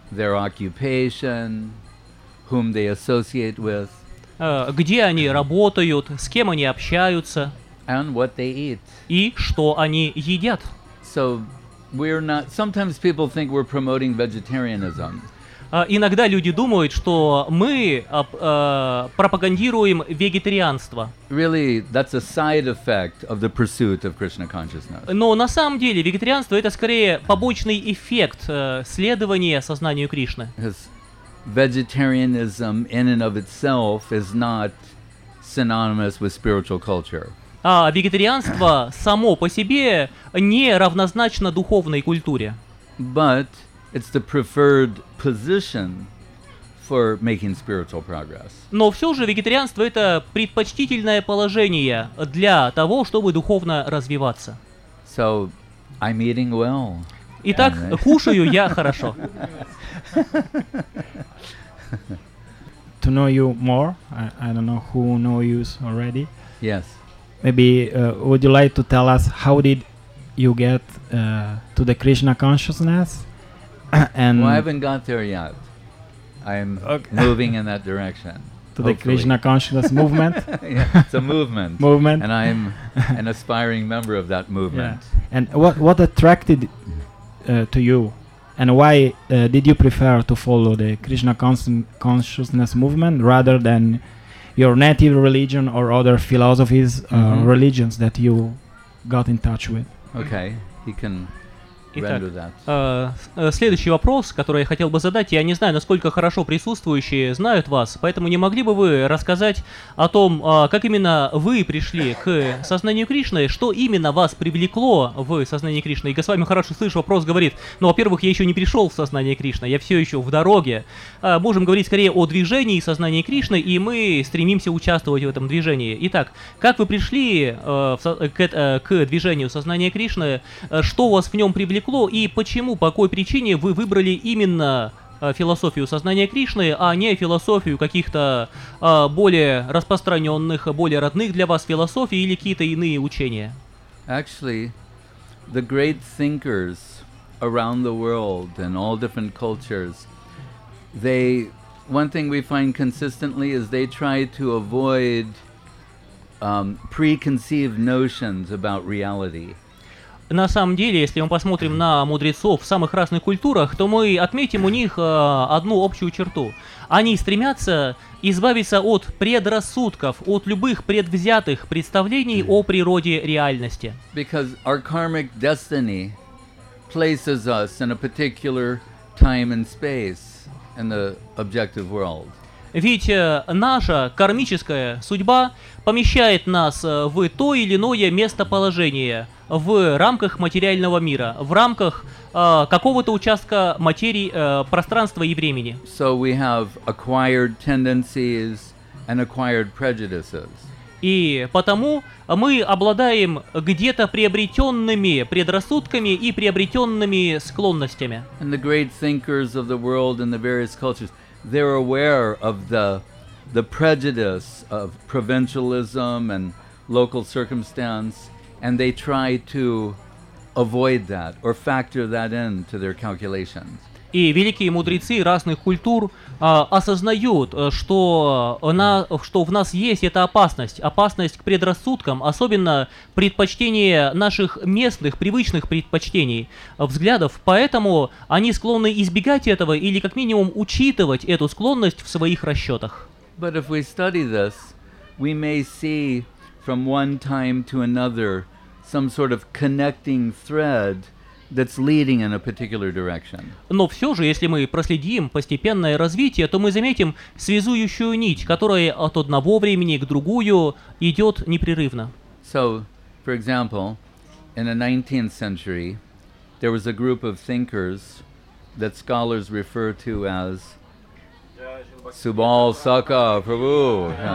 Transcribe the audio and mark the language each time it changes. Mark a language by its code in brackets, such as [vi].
[en] Their occupation, whom they associate with. [ru] Где они работают, с кем они общаются. [en] And what they eat. [ru] И что они едят. [en] So we're not, sometimes people think we're promoting vegetarianism. [ru] Иногда люди думают, что мы пропагандируем вегетарианство. [en] Really, that's a side effect of the pursuit of Krishna consciousness. [ru] Но на самом деле вегетарианство это скорее побочный эффект следования сознанию Кришны. [en] Because vegetarianism in and of itself is not synonymous with spiritual culture. [ru] А вегетарианство само по себе не равнозначно духовной культуре. [en] But it's the preferred position for making spiritual progress. [ru] Но все же вегетарианство это предпочтительное положение для того, чтобы духовно развиваться. [en] So I'm eating well. [ru] Итак, кушаю я хорошо. [en] To know you more, I don't know who know you already. Yes. Maybe would you like to tell us how did you get to the Krishna consciousness? And well, I haven't got there yet. I'm okay. Moving in that direction. To the Krishna consciousness movement? Yeah, it's a movement. Movement. And I'm an aspiring member of that movement. Yeah. And what attracted to you? And why did you prefer to follow the Krishna consciousness movement rather than your native religion or other philosophies, mm-hmm. religions that you got in touch with? Okay, he can... [ru] Итак, следующий вопрос, который я хотел бы задать, я не знаю, насколько хорошо присутствующие знают вас, поэтому не могли бы вы рассказать о том, как именно вы пришли к сознанию Кришны, что именно вас привлекло в сознание Кришны? И Госвами хорошо слышу, вопрос говорит, ну, во-первых, я еще не пришел в сознание Кришны, я все еще в дороге. Можем говорить скорее о движении сознания Кришны, и мы стремимся участвовать в этом движении. Итак, как вы пришли к движению сознания Кришны, что вас в нем привлекло? И почему, по какой причине вы выбрали именно философию сознания Кришны, а не философию каких-то более распространенных, более родных для вас философий или какие-то иные учения? [en] Actually, the great thinkers around the world and all different cultures, they one thing we find consistently is they try to avoid preconceived notions about reality. [ru] На самом деле, если мы посмотрим на мудрецов в самых разных культурах, то мы отметим у них одну общую черту. Они стремятся избавиться от предрассудков, от любых предвзятых представлений о природе реальности. [en] Because our karmic destiny places us in a particular time and space in the objective world. [ru] Ведь наша кармическая судьба помещает нас в то или иное местоположение в рамках материального мира, в рамках какого-то участка материи, пространства и времени. [en] So we have acquired tendencies and acquired prejudices. [ru] И потому мы обладаем где-то приобретенными предрассудками и приобретенными склонностями. [en] And the great thinkers of the world and the various cultures, they're aware of the prejudice of provincialism and local circumstance, and they try to avoid that or factor that into their calculations. [ru] И великие мудрецы разных культур осознают, что в нас есть эта опасность, опасность к предрассудкам, особенно предпочтение наших местных, привычных предпочтений, взглядов, поэтому они склонны избегать этого или как минимум учитывать эту склонность в своих расчетах. [en] But if we study this, we may see from one time to another some sort of connecting thread that's leading in a particular direction. [ru] Но все же, если мы проследим постепенное развитие, то мы заметим связующую нить, которая от одного времени к другую идет непрерывно. [en] So, for example, in the 19th century, there was a group of thinkers that scholars refer to as Subal Sakha Prabhu.